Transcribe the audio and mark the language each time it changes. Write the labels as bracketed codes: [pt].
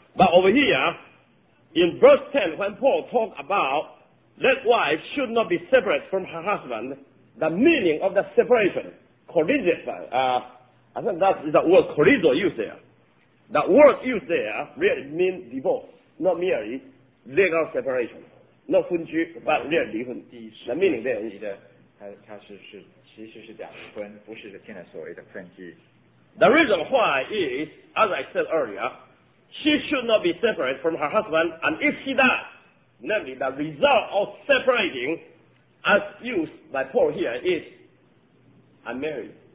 [en] But over here,In verse 10, when Paul talked about that wife should not be separate from her husband, the meaning of the separation, chorizo, I think that is the word chorizo used there. The word used there really means divorce, not merely legal separation. Not 分居 but really 离婚 The meaning there is. [zh] 他是其实是讲离婚不是现在所谓的分居 [en] The reason why is, as I said earlier,She should not be separate from her husband, and if she does, namely the result of separating, as used by Paul here, is unmarried.